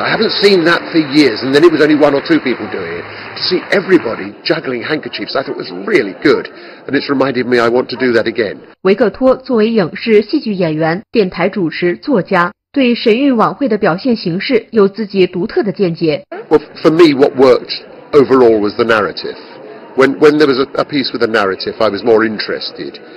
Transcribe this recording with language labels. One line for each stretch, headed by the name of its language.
English: I haven't seen that for years, and then it was only one or two people doing it. To see everybody juggling handkerchiefs, I thought was really good, and it's reminded me I want to do that again.
Chinese: 维克托作为影视戏剧演员、电台主持、作家，对神韵晚会的表现形式有自己独特的见解。
English: Well, for me, what worked overall was the narrative. When there was a piece with a narrative, I was more interested.